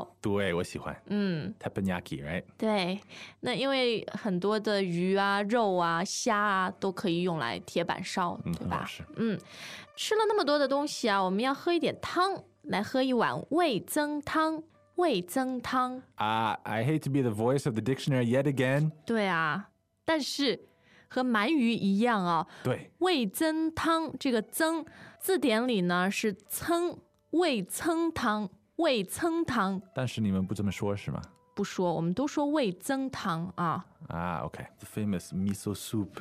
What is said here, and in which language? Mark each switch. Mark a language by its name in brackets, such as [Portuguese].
[Chinese] 啊，对，我喜欢。嗯。 [English] Teppanyaki, right? [Chinese] 对。那因为很多的鱼啊、肉啊、虾啊都可以用来铁板烧，对吧？嗯，是。嗯。吃了那么多的东西啊，我们要喝一点汤，来喝一碗味噌汤。味噌汤。 [English] I hate to be the voice of the dictionary yet again. [Chinese] 对啊，但是和鳗鱼一样哦。对。味噌汤，这个噌，字典里呢是噌，味噌汤，味噌汤。但是你们不这么说是吗？不说，我们都说味噌汤啊。 [English] 啊，OK. The famous miso soup.